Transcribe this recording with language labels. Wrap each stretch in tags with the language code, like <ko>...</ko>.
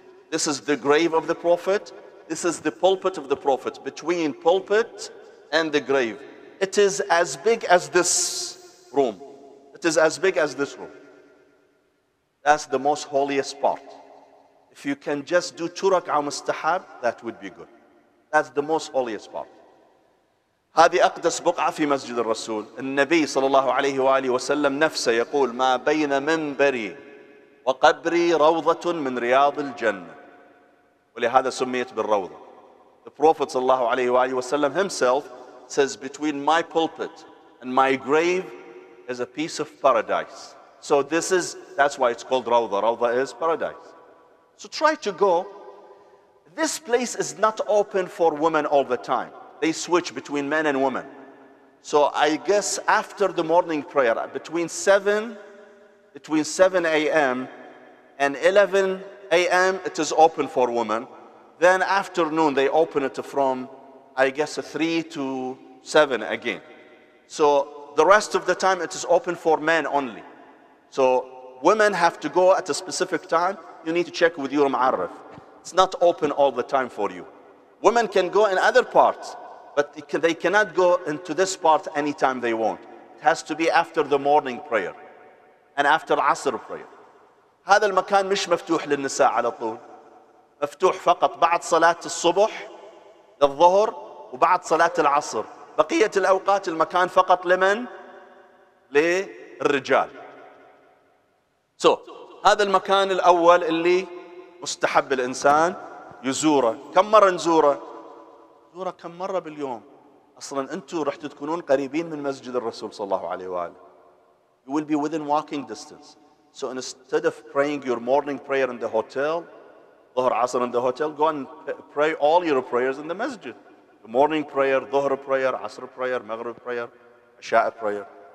<en>This is the grave of the Prophet. This is the pulpit of the Prophet, between pulpit and the grave. It is as big as this room. It is as big as this room. That's the most holiest part. If you can just do two rak'ah mustahab, that would be good. That's the most holiest part.</en> <ar>هذه أقدس بقعة في مسجد الرسول. النبي صلى الله عليه وآله وسلم نفسه يقول ما بين منبري وقبري روضة من رياض الجنة. ولهذا سميت بالروضة.</ar> <en>The Prophet صلى الله عليه وآله وسلم himself says between my pulpit and my grave is a piece of paradise. So that's why it's called روضة. روضة is paradise. So try to go. This place is not open for women all the time. They switch between men and women. So I guess after the morning prayer, between 7 a.m. and 11 a.m. it is open for women. Then afternoon they open it from, I guess, 3 to 7 again. So the rest of the time it is open for men only. So women have to go at a specific time. You need to check with your ma'arif. It's not open all the time for you. Women can go in other parts, but they cannot go into this part anytime they want. It has to be after the morning prayer and after Asr prayer.</en> <ar>هذا المكان مش مفتوح للنساء على طول. مفتوح فقط بعد صلاة الصبح للظهر وبعد صلاة العصر. بقية الأوقات المكان فقط لمن؟ للرجال. So, هذا المكان الأول اللي مستحب الإنسان يزوره. كم مرة نزوره؟ نزوره كم مرة باليوم؟ أصلاً أنتوا رح تكونون قريبين من مسجد الرسول صلى الله عليه وآله.</ar> <en>You will be within walking distance. So instead of praying your morning prayer in the hotel, ظهر عصر in the hotel, go and pray all your prayers in the masjid. The morning prayer, ظهر prayer, عصر prayer, مغرب prayer, عشاء prayer.</en>